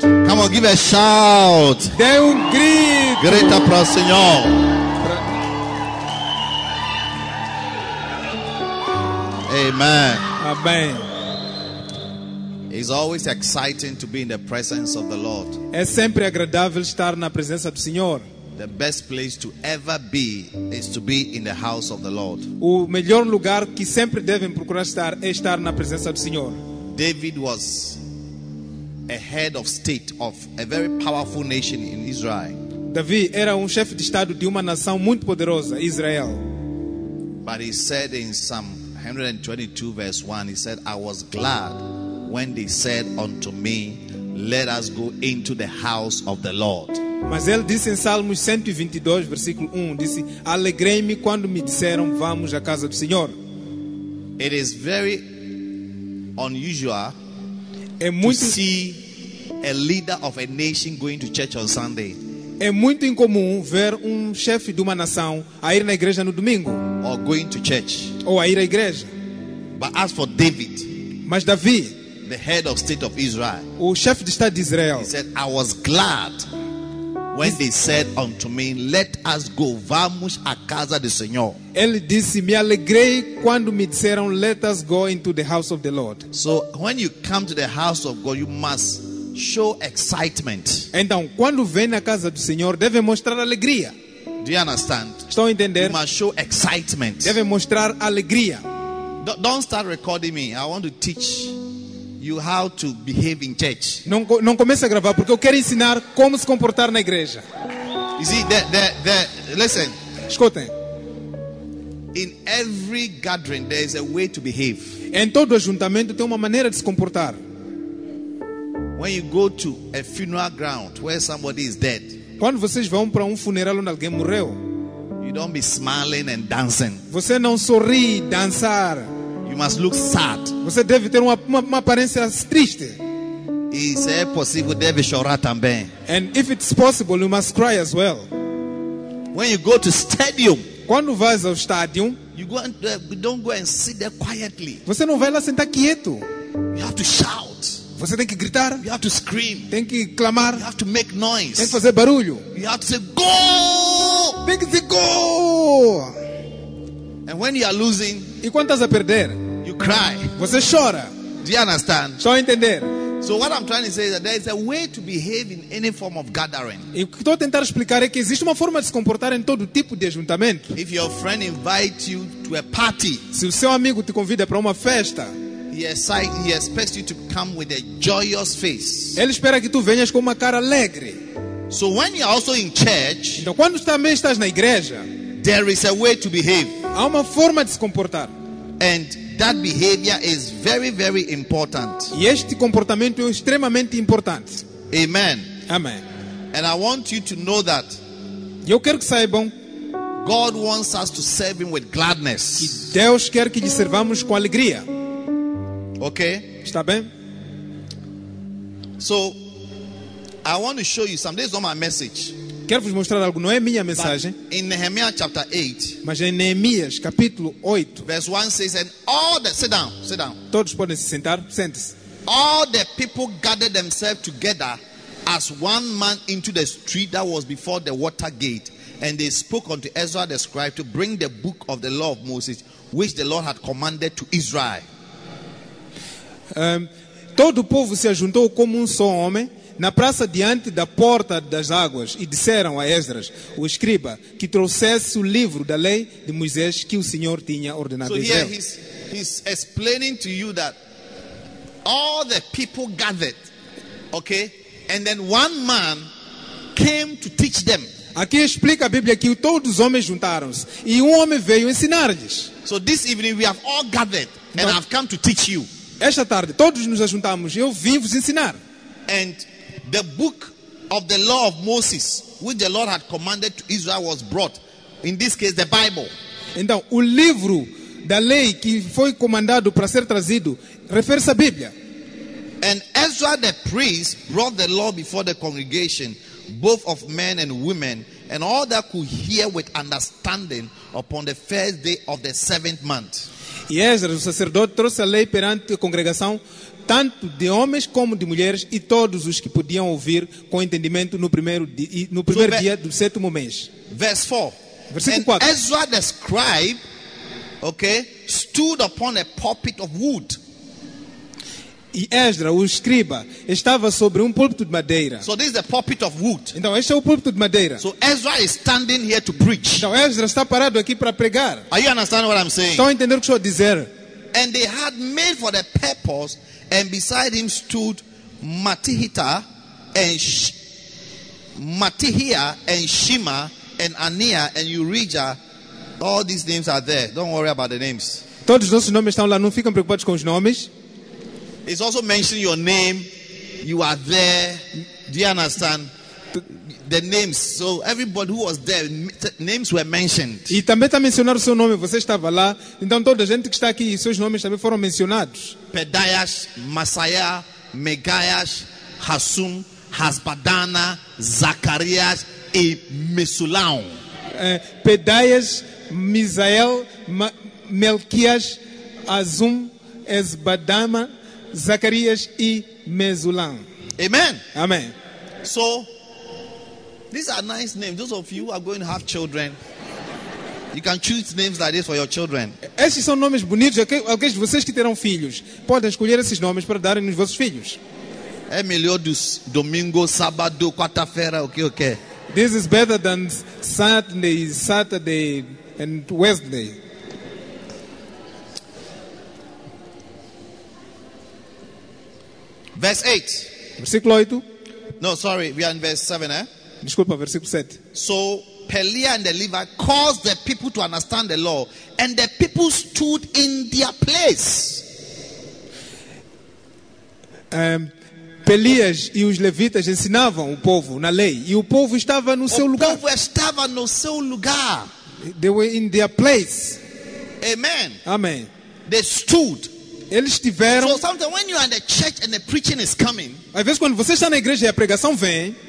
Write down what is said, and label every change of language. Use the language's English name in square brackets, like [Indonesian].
[English] Come on, give a shout. [Portuguese] Dê grito. Grita para o Senhor. Amen. Amém. [English] It's always exciting to be in the presence of the Lord. [Portuguese] É sempre agradável estar na presença do Senhor. [English] The best place to ever be is to be in the house of the Lord. [Portuguese] O melhor lugar que sempre devem procurar estar é estar na presença do Senhor. [English] David was a head of state of a very powerful nation in Israel. [Portuguese] Davi era chefe de estado de uma nação muito poderosa, Israel. [English] But he said in Psalm 122 verse 1, he said, I was glad when they said unto me, let us go into the house of the Lord. [Portuguese] Mas ele disse em Salmos 122 versículo 1, disse, alegrei-me quando me disseram, vamos à casa do Senhor. [English] It is very unusual. [Portuguese] É muito [English] to see a leader of a nation going to church on Sunday. [Portuguese] É muito incomum ver chefe de uma nação a ir na igreja no domingo. [English] Or going to church. [Portuguese] Ou a ir à igreja. [English] But as for David, [Portuguese] mas Davi, [English] the head of state of Israel, [Portuguese] o chefe de estado de Israel, [English] he said, I was glad when they said unto me, let us go, [Portuguese] vamos à casa do Senhor. Ele disse, me alegrei quando me disseram, [English] let us go into the house of the Lord. So when you come to the house of God, you must show excitement. [Portuguese] Então, quando vem na casa do Senhor, deve mostrar alegria. [English] Do you understand? [Portuguese] Estou a entender? [English] You must show excitement. [Portuguese] Deve mostrar alegria. [English] Don't start recording me. I want to teach you how to behave in church. [Portuguese] Não comece a gravar porque eu quero ensinar como se comportar na igreja. [English] You see, listen. [Portuguese] Escutem. [English] In every gathering there is a way to behave. [Portuguese] Em todo ajuntamento tem uma maneira de se comportar. [English] When you go to a funeral ground where somebody is dead. [Portuguese] Quando vocês vão para funeral onde alguém morreu. [English] You don't be smiling and dancing. [Portuguese] Você não sorri, dançar. [English] You must look sad. [Portuguese] Você deve ter uma aparência triste. E se é possível, deve chorar também. [English] And if it's possible, you must cry as well. When you go to stadium, [Portuguese] quando vais ao estádio, [English] you go and don't go and sit there quietly. [Portuguese] Você não vai lá sentar quieto. [English] You have to shout. [Portuguese] Você tem que gritar. [English] You have to scream. [Portuguese] Tem que clamar. [English] You have to make noise. [Portuguese] Tem que fazer barulho. [English] You have to say go. [Portuguese] Tem que dizer go. [English] And when you are losing, [Portuguese] e quando estás a perder, [English] you cry. [Portuguese] Você chora. [English] Do you understand? [Portuguese] Só entender. [English] So what I'm trying to say is that there is a way to behave in any form of gathering. [Portuguese] E o que estou a tentar explicar é que existe uma forma de se comportar em todo tipo de ajuntamento. [English] If your friend invites you to a party, [Portuguese] se o seu amigo te convida para uma festa, [English] he expects you to come with a joyous face. [Portuguese] Ele espera que tu venhas com uma cara alegre. [English] So when you are also in church, [Portuguese] então quando também estás na igreja, [English] there is a way to behave. [Portuguese] Há uma forma de se comportar. [English] And that behavior is very, very important. [Portuguese] E este comportamento é extremamente importante. [English] Amen. [Portuguese] Amen. [English] And I want you to know that. [Portuguese] Eu quero que saibam. [English] God wants us to serve Him with gladness. [Portuguese] Que Deus quer que lhe servamos com alegria. [English] Okay. [Portuguese] Está bem? [English] So, I want to show you something. This is not my message. [Portuguese] Quero vos mostrar algo, não é minha mensagem. [English] In Nehemiah chapter 8, [Portuguese] mas em Neemias capítulo 8, [English] verse 1 says, and all the, sit down. [Portuguese] Todos podem se sentar, sente-se. [English] All the people gathered themselves together as one man into the street that was before the water gate, and they spoke unto Ezra the scribe to bring the book of the law of Moses, which the Lord had commanded to Israel. [Portuguese] Todo o povo se ajuntou como só homem na praça diante da porta das águas e disseram a Esdras, o escriba, que trouxesse o livro da lei de Moisés que o Senhor tinha ordenado. [English] So here he's explaining to you that all the people gathered, okay, and then one man came to teach them. [Portuguese] Aqui explica a Bíblia que todos os homens juntaram-se e homem veio ensinar-lhes. [English] So this evening we have all gathered and I've come to teach you. [Portuguese] Esta tarde todos nos juntamos e eu vim vos ensinar. [English] And the book of the law of Moses, which the Lord had commanded to Israel, was brought. In this case, the Bible. [Portuguese] Então, o livro da lei que foi comandado para ser trazido refere-se à Bíblia. [English] And Ezra the priest brought the law before the congregation, both of men and women, and all that could hear with understanding upon the first day of the seventh month. [Portuguese] E Ezra, o sacerdote, trouxe a lei perante a congregação, tanto de homens como de mulheres, e todos os que podiam ouvir com entendimento no primeiro dia do sétimo mês. [English] Verse 4. And Ezra the scribe, okay, stood upon a pulpit of wood. [Portuguese] E Ezra, o escriba, estava sobre um púlpito de madeira. [English] So this is the pulpit of wood. [Portuguese] Então este é o púlpito de madeira. [English] So Ezra is standing here to preach. [Portuguese] Então Ezra está parado aqui para pregar. [English] Are you understanding what I'm saying? [Portuguese] Estão entendendo o que estou a dizer? [English] And they had made for the purpose, and beside him stood Matihiah and Shema and Aniah and Urijah. All these names are there. Don't worry about the names. [Portuguese] Todos os nossos nomes estão lá. Não fiquem preocupados com os nomes. [English] It's also mentioning your name. You are there. Do you understand? The names. So everybody who was there, names were mentioned. [Portuguese] E também está mencionado o seu nome. Você estava lá. Então toda a gente que está aqui, seus nomes também foram mencionados. Pedaias, Masaiah, Megaias, Hassum, Hasbadana, Zacarias e Mesulão. Pedaias, Misael, Melquias, Azum, Esbadama, Zacarias e Mesulão. [English] Amen. [Portuguese] Amém. [English] So, these are nice names. Those of you who are going to have children, you can choose names like this for your children. [Portuguese] Esses são nomes bonitos. Alguns de vocês que terão filhos podem escolher esses nomes para darem nos vossos filhos. É melhor dos domingo, sábado, quarta-feira, okay. [English] This is better than Saturday and Wednesday. Verse 7. [Portuguese] Desculpa, versículo 7. [English] So Peliah and the Levite caused the people to understand the law, and the people stood in their place. [Portuguese] Peliah e os levitas ensinavam o povo na lei, e o povo estava no seu lugar. O povo estava no seu lugar. [English] They were in their place. Amen. [Portuguese] Amen. [English] They stood. [Portuguese] Eles estiveram. [English] So sometimes when you are in the church and the preaching is coming, [Portuguese] às vezes quando você está na igreja e a pregação vem,